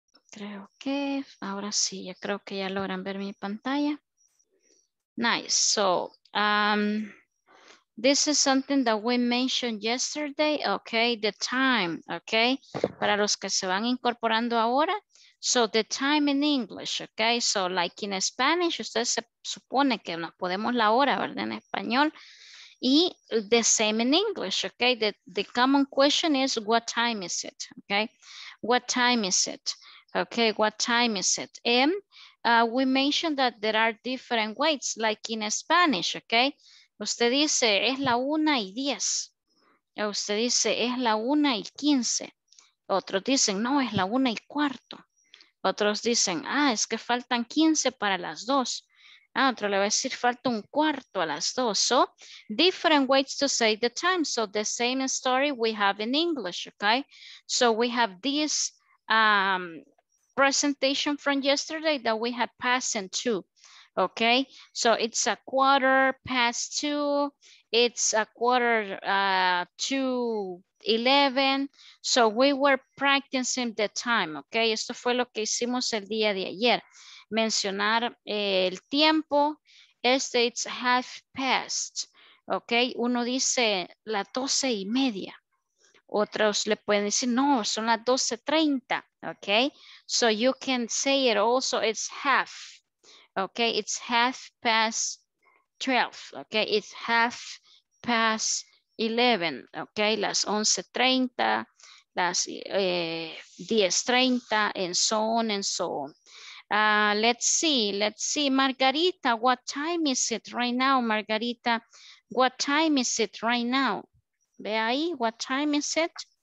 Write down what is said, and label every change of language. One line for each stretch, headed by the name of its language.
Spanish: Creo que ahora sí, ya creo que ya logran ver mi pantalla.
English: Nice. So this is something that we mentioned yesterday. Okay, the time.
Spanish: Okay, para los que se van incorporando ahora.
English: So the time in English, okay? So like in Spanish,
Spanish: usted se supone que nos podemos la hora, ¿verdad? En español. Y
English: the same in English, okay? The common question is, what time is it, okay? What time is it? Okay, what time is it? And we mentioned that there are different ways, like in Spanish, okay?
Spanish: Usted dice, es la 1:10. Usted dice, es la 1:15. Otros dicen, no, es la 1:15. Otros dicen, ah, es que faltan 15 para las 2. Ah, otro le va a decir, falta un cuarto a las 2.
English: So, different ways to say the time. So, the same story we have in English, okay? So, we have this presentation from yesterday that we had passing 2, okay? So, it's a quarter past 2. It's a quarter to 11. So we were practicing the time, okay?
Spanish: Esto fue lo que hicimos el día de ayer. Mencionar el tiempo. Este,
English: it's half past, okay?
Spanish: Uno dice la 12:30. Otros le pueden decir, no, son las 12:30, okay?
English: So you can say it also, it's half, okay? It's half past 12, okay? It's half past 11, ok,
Spanish: las 11:30, las 10:30,
English: and so on, let's see, Margarita, what time is it right now, Margarita, what time is it right now,
Spanish: ve ahí,
English: what time is it?